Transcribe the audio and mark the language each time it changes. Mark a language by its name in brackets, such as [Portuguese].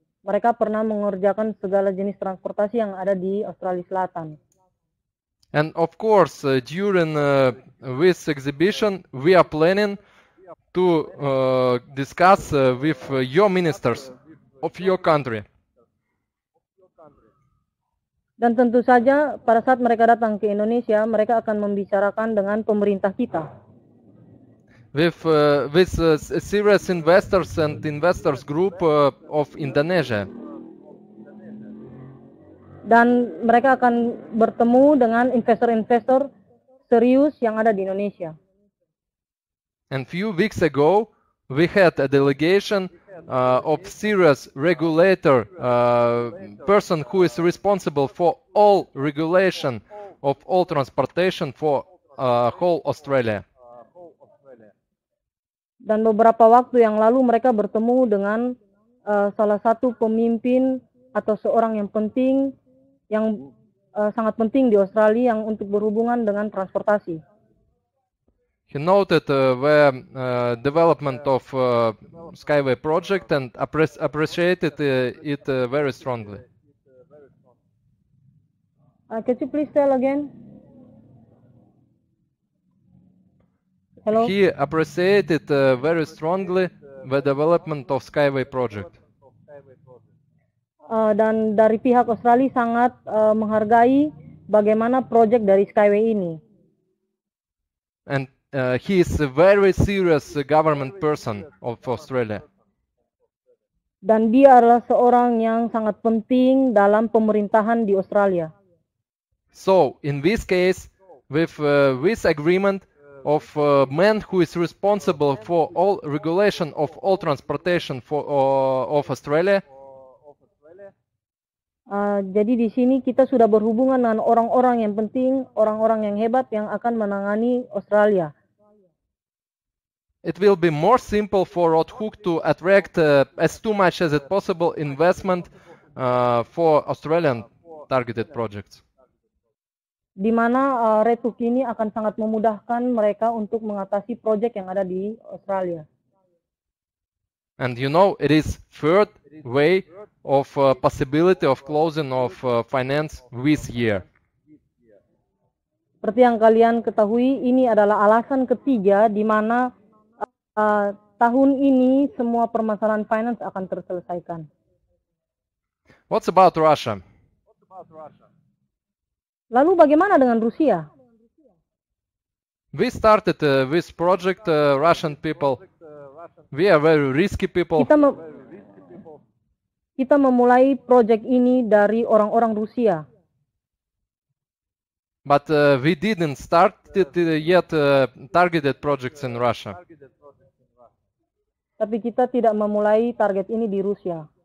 [Indonesian] Mereka pernah mengerjakan segala jenis transportasi yang ada di Australia Selatan. [English] And of course, during this exhibition, we are planning to discuss with your ministers of your country. [Indonesian] Dan tentu saja pada saat mereka datang ke Indonesia, mereka akan membicarakan dengan pemerintah kita. [English] With serious investors and investors group of Indonesia. [Indonesian] Dan mereka akan bertemu dengan investor-investor serius yang ada di Indonesia. [English] And few weeks ago, we had a delegation of serious regulator, person who is responsible for all regulation of all transportation for whole Australia. [Indonesian] Dan beberapa waktu yang lalu mereka bertemu dengan salah satu pemimpin atau seorang yang penting, yang sangat penting di Australia yang untuk berhubungan dengan transportasi. [English] He noted the development of Skyway project and appreciated it very strongly. Could you please tell again? Hello? He appreciated very strongly the development of Skyway project. [Indonesian] Dan dari pihak Australia sangat menghargai bagaimana project dari Skyway ini. [English] And he is a very serious government person of Australia. [Indonesian] Dan dia adalah seorang yang sangat penting dalam pemerintahan di Australia. [English] So, in this case, with this agreement of a man who is responsible for all regulation of all transportation for of Australia. [Indonesian] Jadi di sini kita sudah berhubungan dengan orang-orang yang penting, orang-orang yang hebat yang akan menangani Australia. [English] It will be more simple for Rothhook to attract as too much as it possible investment for Australian targeted projects. [Indonesian] Di mana Rothhook ini akan sangat memudahkan mereka untuk mengatasi proyek yang ada di Australia. [English] And you know, it is third way of possibility of closing of finance this year. [Indonesian] Seperti yang kalian ketahui, ini adalah alasan ketiga di mana tahun ini semua permasalahan finance akan terselesaikan. [English] What's about Russia? What about Russia? [Indonesian] Lalu bagaimana dengan Rusia? [English] We started this project, Russian people. We are very risky people. [Indonesian] Kita memulai proyek ini dari orang-orang Rusia. [English] But we didn't start yet targeted projects in Russia. [Indonesian] Tapi kita tidak memulai target ini di Rusia.